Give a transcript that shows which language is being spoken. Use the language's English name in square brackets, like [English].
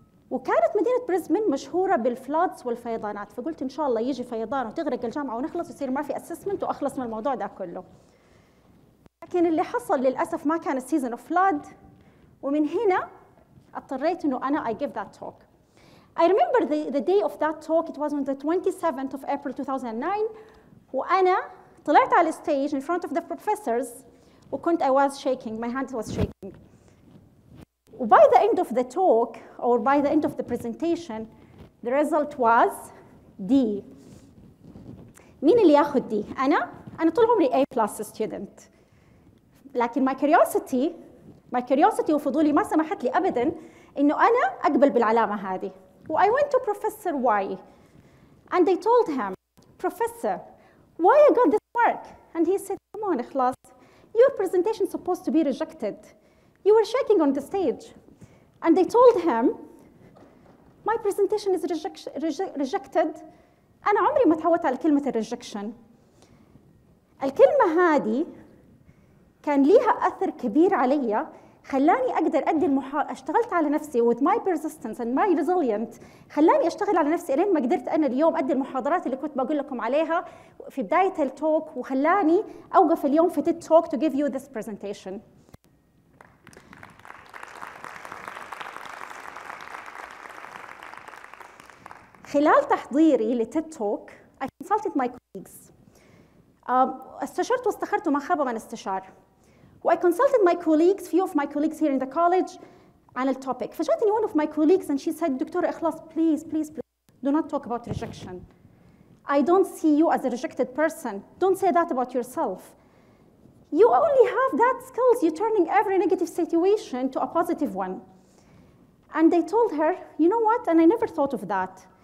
[Arabic] وكانت مدينة بريسبن مشهورة بالفلودز والفيضانات فقلت إن شاء الله يجي فيضان وتغرق الجامعة ونخلص ويصير ما في assessment وأخلص من الموضوع ده كله لكن اللي حصل للأسف ما كان [English] season of flood [Arabic] ومن هنا اضطريت إنه أنا [English] I give that talk I remember the day of that talk it was on the 27th of April 2009 [Arabic] وأنا طلعت على الستيج [English] in front of the professors [Arabic] وكنت [English] I was shaking, my hand was shaking. By the end of the talk, or by the end of the presentation, the result was D. [Arabic] مين اللي ياخد D؟ أنا؟ أنا طول عمري [English] A plus student. [Arabic] لكن [English] my curiosity [Arabic] وفضولي ما سمحت لي أبداً إنه أنا أقبل بالعلامة هذه. [English] I went to Professor Y. And I told him, Professor, why I got this mark? And he said, come on, إخلاص. Your presentation is supposed to be rejected. You were shaking on the stage. And they told him, my presentation is rejected. [Arabic] أنا عمري ما تعودت على كلمة rejection. الكلمة هذه كان ليها أثر كبير عليا خلاني أقدر أدي اشتغلت على نفسي [English] with my persistence and my resilience [Arabic] خلاني أشتغل على نفسي لين ما قدرت أنا اليوم أدي المحاضرات اللي كنت بقول لكم عليها في بداية التوك وخلاني أوقف اليوم في TED Talk [English] to give you this presentation. [Arabic] خلال تحضيري [English] لTED Talk I consulted my colleagues. [Arabic] استشرت واستخرت وما خاب من استشار. [English] I consulted my colleagues, few of my colleagues here in the college, on the topic. [Arabic] فجأتني [English] one of my colleagues and she said, Doctor إخلاص, please, please, please, do not talk about rejection. I don't see you as a rejected person. Don't say that about yourself. You only have that skills. You're turning every negative situation to a positive one. And they told her, you know what? And I never thought of that.